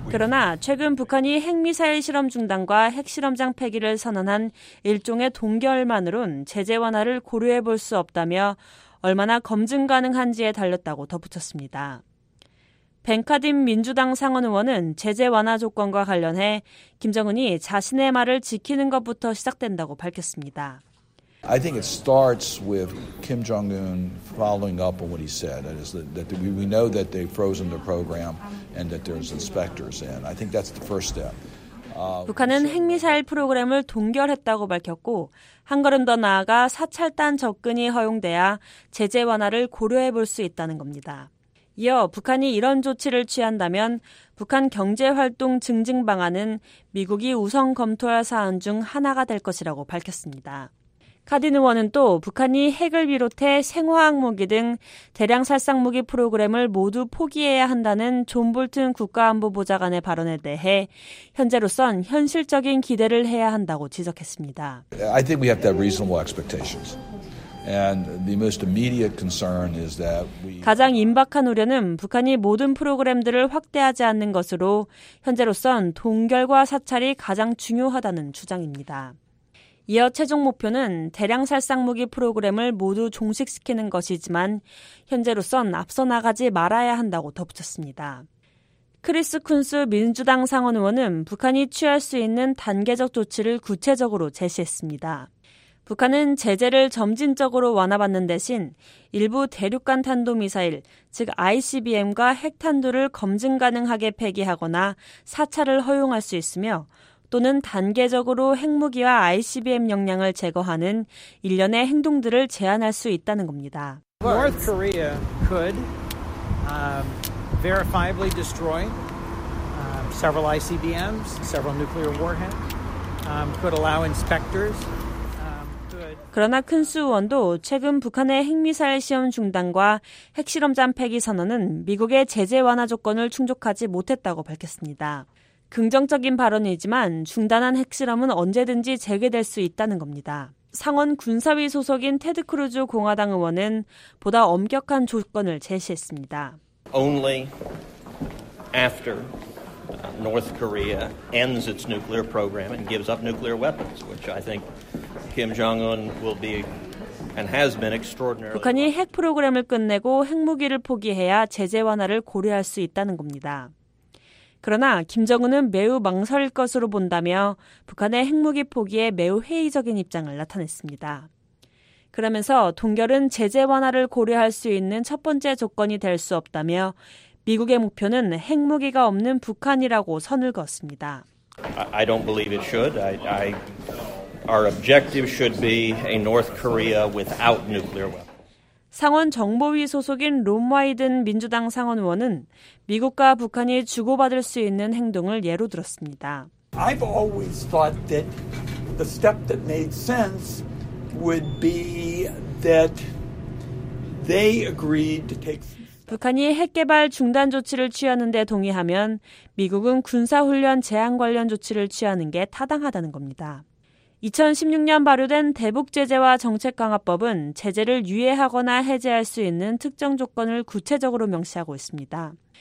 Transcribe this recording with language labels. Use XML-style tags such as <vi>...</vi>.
<ko>그러나 최근 북한이 핵미사일 실험 중단과 핵실험장 폐기를 선언한 일종의 동결만으론 제재 완화를 고려해 볼 수 없다며 얼마나 검증 가능한지에 달렸다고 덧붙였습니다. 벤카딘 민주당 상원 의원은 제재 완화 조건과 관련해 김정은이 자신의 말을 지키는 것부터 시작된다고 밝혔습니다.</ko> <en>I think it starts with Kim Jong-un following up on what he said. That is that we know that they've frozen the program and that there's inspectors in. I think that's the first step.</en> <ko>북한은 핵미사일 프로그램을 동결했다고 밝혔고 한 걸음 더 나아가 사찰단 접근이 허용돼야 제재 완화를 고려해 볼 수 있다는 겁니다. 이어 북한이 이런 조치를 취한다면 북한 경제활동 증진 방안은 미국이 우선 검토할 사안 중 하나가 될 것이라고 밝혔습니다. 카딘 의원은 또 북한이 핵을 비롯해 생화학 무기 등 대량 살상 무기 프로그램을 모두 포기해야 한다는 존 볼튼 국가안보보좌관의 발언에 대해 현재로선 현실적인 기대를 해야 한다고 지적했습니다.</ko> <en>I think we have to have reasonable expectations. And the most immediate concern is that we</en> <ko>가장 임박한 우려는 북한이 모든 프로그램들을 확대하지 않는 것으로 현재로선 동결과 사찰이 가장 중요하다는 주장입니다. 이어 최종 목표는 대량 살상무기 프로그램을 모두 종식시키는 것이지만 현재로선 앞서 나가지 말아야 한다고 덧붙였습니다. 크리스 쿤스 민주당 상원 의원은 북한이 취할 수 있는 단계적 조치를 구체적으로 제시했습니다. 북한은 제재를 점진적으로 완화받는 대신 일부 대륙간 탄도미사일, 즉 ICBM과 핵탄두를 검증 가능하게 폐기하거나 사찰을 허용할 수 있으며 또는 단계적으로 핵무기와 ICBM 역량을 제거하는 일련의 행동들을 제한할 수 있다는 겁니다.</ko> <en>North Korea could verifiably destroy several ICBMs, several nuclear warheads, could allow inspectors.</en> <ko>그러나 큰수 의원도 최근 북한의 핵미사일 시험 중단과 핵실험장 폐기 선언은 미국의 제재 완화 조건을 충족하지 못했다고 밝혔습니다. 긍정적인 발언이지만 중단한 핵실험은 언제든지 재개될 수 있다는 겁니다. 상원 군사위 소속인 테드 크루즈 공화당 의원은 보다 엄격한 조건을 제시했습니다.</ko> <en>Only after North Korea ends its nuclear program and gives up nuclear weapons, which I think Kim Jong-un will be and has been extraordinarily.</en> <ko>북한이 핵 프로그램을 끝내고 핵무기를 포기해야 제재 완화를 고려할 수 있다는 겁니다. 그러나 김정은은 매우 망설일 것으로 본다며 북한의 핵무기 포기에 매우 회의적인 입장을 나타냈습니다. 그러면서 동결은 제재 완화를 고려할 수 있는 첫 번째 조건이 될 수 없다며 미국의 목표는 핵무기가 없는 북한이라고 선을 그었습니다.</ko> <en>I don't believe it should. Our objective should be a North Korea without nuclear weapons.</en> <ko>상원 정보위 소속인 롬 와이든 민주당 상원 의원은 미국과 북한이 주고받을 수 있는 행동을 예로 들었습니다.</ko> <en>I've always thought that the step that made sense would be that they agreed to take.</en> <ko>북한이 핵 개발 중단 조치를 취하는 데 동의하면 미국은 군사훈련 제한 관련 조치를 취하는 게 타당하다는 겁니다. 2016년 발효된 대북제재와 정책강화법은 제재를 유예하거나 해제할 수 있는 특정 조건을 구체적으로 명시하고 있습니다.</ko>